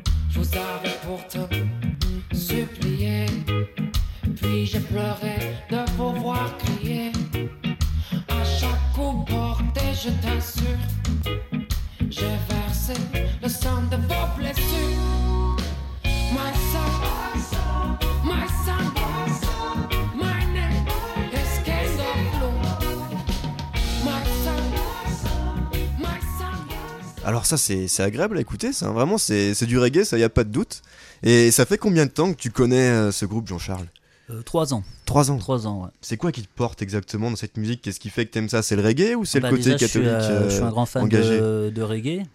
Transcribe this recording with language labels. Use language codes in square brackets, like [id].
[fr] Je vous avais pourtant supplié, puis j'ai pleuré de vous voir crier. À chaque coup porté, je t'assure. J'ai versé le sang de vos blessures. [en] My son, my son, my son, my name is King of Blue. My son, my son, my son. [fr] Alors ça c'est agréable à écouter, ça. Vraiment c'est du reggae, ça, y a pas de doute. Et ça fait combien de temps que tu connais ce groupe, Jean-Charles? 3 ans. 3 ans. 3 ans, ouais. C'est quoi qui te porte exactement dans cette musique? Qu'est-ce qui fait que t'aimes ça? C'est le reggae ou c'est le côté déjà, catholique? Je suis un grand fan de reggae.